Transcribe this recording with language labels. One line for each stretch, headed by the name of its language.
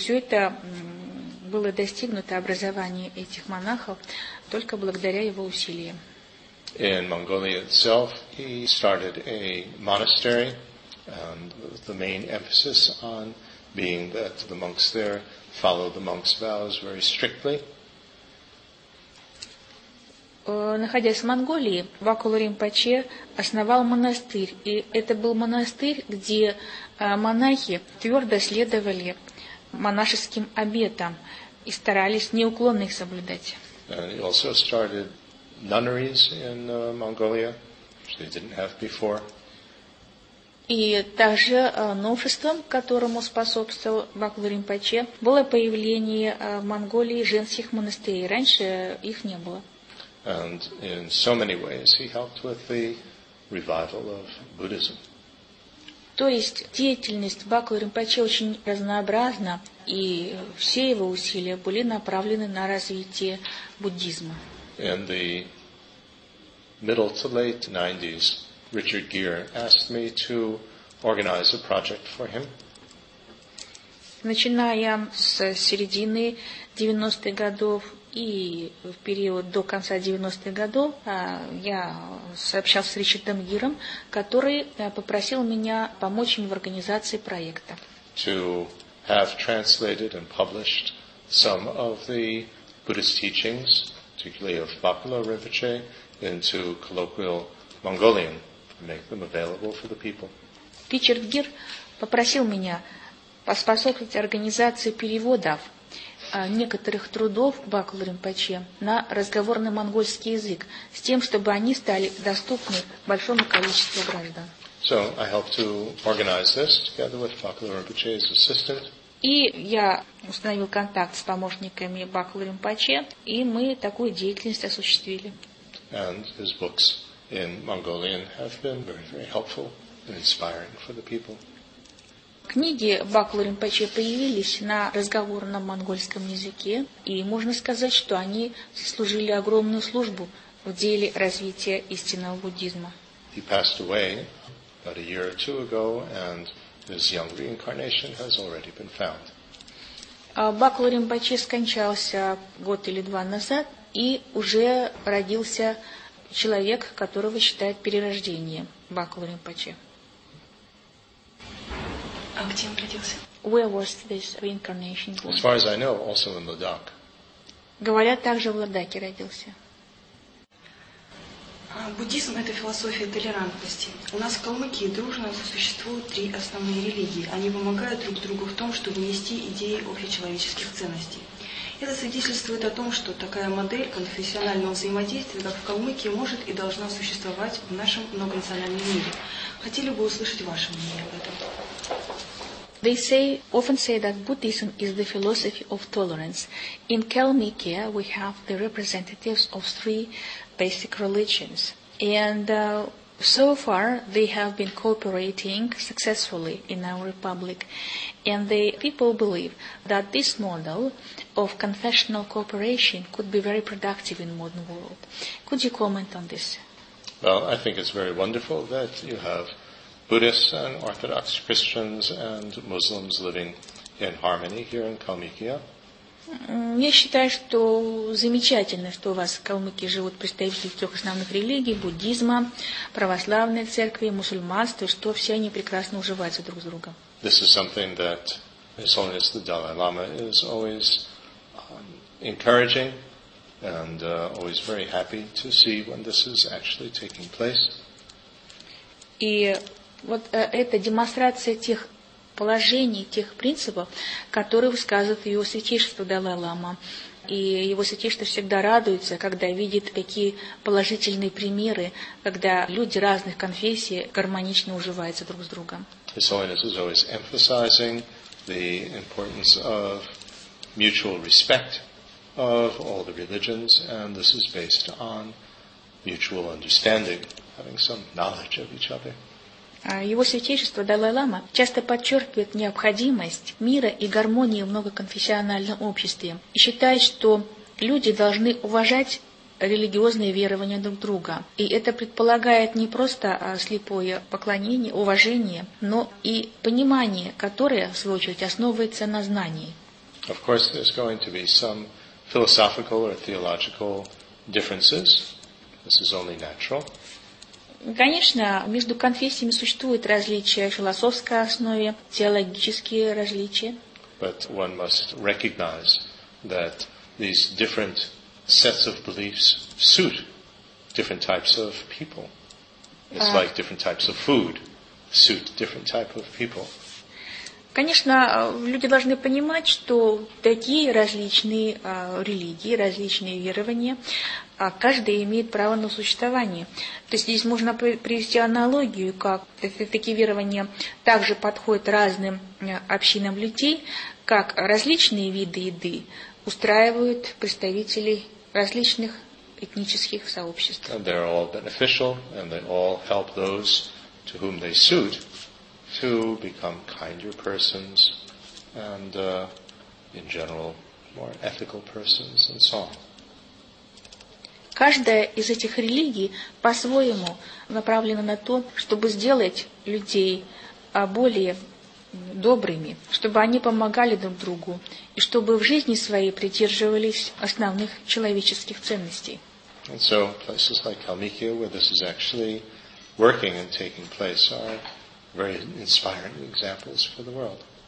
Russian: Все это было достигнуто, образование этих монахов, только благодаря его усилиям.
English: In Mongolia itself, he started a monastery. And the main emphasis on being that the monks there follow the monks' vows very strictly.
Russian: Находясь в Монголии, Бакула Ринпоче основал монастырь, и это был монастырь, где монахи твердо следовали монашеским обетам и старались неуклонно их соблюдать.
English: And he also started nunneries in Mongolia, which they didn't have before.
Russian: И также новшеством, которому способствовал Бакула Ринпоче, было появление в Монголии женских монастырей. Раньше их не было.
English: And in so many ways he helped with the revival of Buddhism.
Russian: То есть деятельность Бакула Ринпоче очень разнообразна, и все его усилия были направлены на развитие буддизма.
English: In the middle to late 90s, Richard Gere asked me to organize a project for him.
Russian: Начиная с середины 90-х годов и в период до конца 90-х годов, я сообщался с Ричардом Гиром, который попросил меня помочь ему в организации проекта.
English: To have translated and published some of the Buddhist teachings, particularly of Bakula Rinpoche, into colloquial Mongolian. Make them available for the people.
Russian: Ричард Гир попросил меня поспособствовать организации переводов некоторых трудов Бакула Ринпоче на разговорный монгольский язык, с тем, чтобы они стали доступны большому количеству граждан.
English: So I helped to organize this together with Bakula Rinpoche's assistant.
Russian: И я установил контакт с помощниками Бакхула Ринпоче, и мы такую деятельность осуществили.
English: And his books in Mongolian have been very, very helpful and inspiring for the people.
Russian: Книги Бакхула Ринпоче появились на разговорном монгольском языке, и можно сказать, что они служили огромную службу в деле развития истинного буддизма.
English: He passed away about a year or two ago, and his young reincarnation has already been found.
Russian: Бакхула Ринпоче скончался год или два назад, и уже родился человек, которого считают перерождением Бакхула Ринпоче. А где он родился?
English: Where was this reincarnation born? As far as I know, also in Ladakh.
Russian: Говорят, также в Ладаке родился. Буддизм – это философия толерантности. У нас в Калмыкии дружно сосуществуют три основные религии. Они помогают друг другу в том, чтобы нести идеи общечеловеческих ценностей. Это свидетельствует о том, что такая модель конфессионального взаимодействия, как в Калмыкии, может и должна существовать в нашем многонациональном мире. Хотели бы услышать ваше мнение об этом.
English: They say, often say that Buddhism is the philosophy of tolerance. In Kalmykia, we have the representatives of three basic religions. And so far, they have been cooperating successfully in our republic. And the people believe that this model of confessional cooperation could be very productive in the modern world. Could you comment on this? Well, I think it's very wonderful that you have Buddhists and Orthodox Christians and Muslims living in harmony here in Калмыкия.
Russian: Я считаю, что замечательно, что у вас в Калмыкии живут представители трех основных религий – буддизма, православной церкви, мусульманства, что все они прекрасно уживаются друг с другом.
English: This is something that His Holiness the Dalai Lama is always encouraging and always very happy to see when this is actually taking place.
Russian: И вот это демонстрация тех положений, тех принципов, которые высказывает его святейшество Далай-лама. И его святейшество всегда радуется, когда видит такие положительные примеры, когда люди разных конфессий гармонично уживаются друг с другом.
English: His Holiness is always emphasizing the importance of mutual respect of all the religions, and this is based on mutual understanding, having some knowledge of each other.
Russian: Его святейшество Далай-лама часто подчеркивает необходимость мира и гармонии в многоконфессиональном обществе и считает, что люди должны уважать религиозные верования друг друга. И это предполагает не просто слепое поклонение, уважение, но и понимание, которое, в свою очередь, основывается на знании.
English: Of course, there's going to be some philosophical or theological differences. This is only natural.
Russian: Конечно, между конфессиями существуют различия в философской основе, теологические различия.
English: But one must recognize that these different sets of beliefs suit different types of people. It's like different types of food suit different type of people.
Russian: Конечно, люди должны понимать, что такие различные религии, различные верования, каждый имеет право на существование. То есть здесь можно привести аналогию, как такие верования также подходят разным общинам людей, как различные виды еды устраивают представителей различных этнических сообществ.
English: And they're all beneficial, and they all help those to whom they suit to become kinder persons and, in general, more ethical persons and so on.
Russian: Каждая из этих религий по-своему направлена на то, чтобы сделать людей более добрыми, чтобы они помогали друг другу и чтобы в жизни своей придерживались основных человеческих ценностей.
English: And so places like Калмыкия, where this is actually working and taking place, are very inspiring examples for the world.